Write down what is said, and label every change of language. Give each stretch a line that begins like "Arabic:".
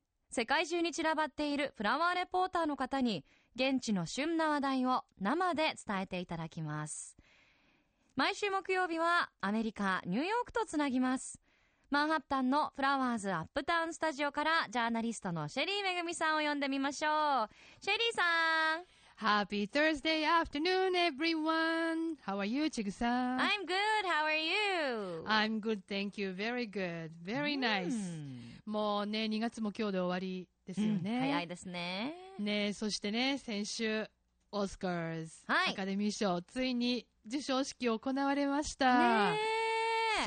Japanese: 世界中に散らばっているフラワーレポーターの方に現地の旬な話題を生で伝えていただきます。毎週木曜日はアメリカ・ニューヨークとつなぎます。マンハッタンのフラワーズアップタウンスタジオからジャーナリストのシェリー恵さんを呼んでみましょう。シェリーさん、
English: Happy Thursday afternoon, everyone. How are you, Chigusan? I'm good. How are you? I'm good, thank you. Very good. Very nice.、
Japanese: うん、もうね、2月も今日で終わりですよね。うん、早いですね。ね、そしてね、先週、オスカーズ、はい、アカデミー賞、ついに授賞式を行われました。ねえ。